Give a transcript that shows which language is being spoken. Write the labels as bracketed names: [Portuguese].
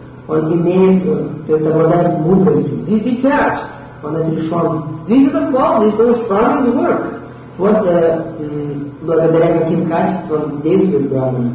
[Russian] Он имеет, то есть обладает мудростью. [English] He's detached. [Russian] Он отрешен. [English] These are the qualities for which brahmins work. [Russian] Вот благодаря каким качествам действует брахман.